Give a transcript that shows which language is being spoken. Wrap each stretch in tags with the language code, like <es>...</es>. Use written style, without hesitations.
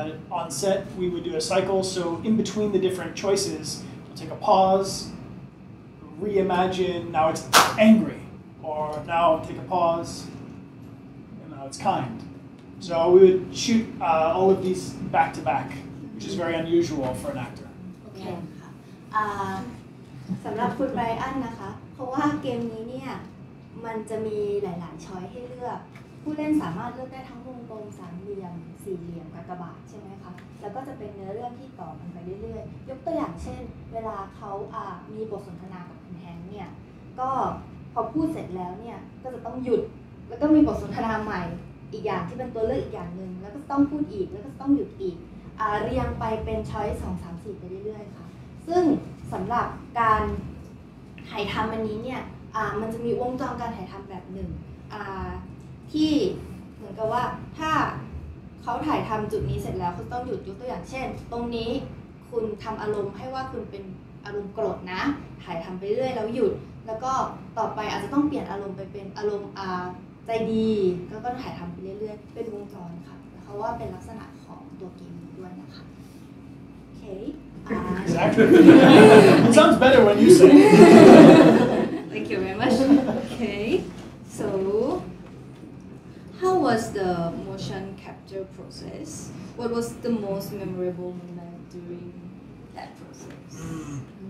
<en>On set, we would do a cycle, so in between the different choices, we'll take a pause, reimagine, now it's angry, or now take a pause, and now it's kind. So we would shoot all of these back to back, which is very unusual for an actor. Okay.</en> <th>สำหรับคุณไบรอันนะคะเพราะว่าเกมนี้เนี่ยมันจะมีหลายๆช้อยให้เลือกผู้เล่นสามารถเลือกได้ทั้งวงกลมสามเหลี่ยมสี่เหลี่ยมกากบาทใช่ไหมคะแล้วก็จะเป็นเนื้อเรื่องที่ต่อกันไป กตัวอย่างเช่นเวลาเขามีบทสนทนากับคุณแฮงค์เนี่ยก็พอพูดเสร็จแล้วเนี่ยก็จะต้องหยุดแล้วก็มีบทสนทนาใหม่อีกอย่างที่เป็นตัวเลือกอีกอย่างนึงแล้วก็ต้องพูดอีกแล้วก็ต้องหยุดอีกเรียงไปเป็นช้อยส์2 3 4ไปเรื่อยๆค่ะซึ่งสำหรับการถ่ายทำอันนี้เนี่ยมันจะมีวงจรการถ่ายทำแบบหนึ่ง ที่เหมือนกับว่าถ้าเขาถ่ายทำจุดนี้เสร็จแล้วเขาต้องหยุดยกตัวอย่างเช่นตรงนี้คุณทำอารมณ์ให้ว่าคุณเป็นอารมณ์โกรธนะถ่ายทำไปเรื่อยแล้วหยุดแล้วก็ต่อไปอาจจะต้องเปลี่ยนอารมณ์ไปเป็นอารมณ์ใจดีก็ต้องถ่ายทำไปเรื่อยๆเป็นวงจรค่ะเพราะว่าเป็นลักษณะของตัวเกมด้วยนะคะโอเค</th> <en>Exactly. It sounds better when you say it. Thank you very much. Okay, so how was the motion capture process? What was the most memorable moment during that process?</en>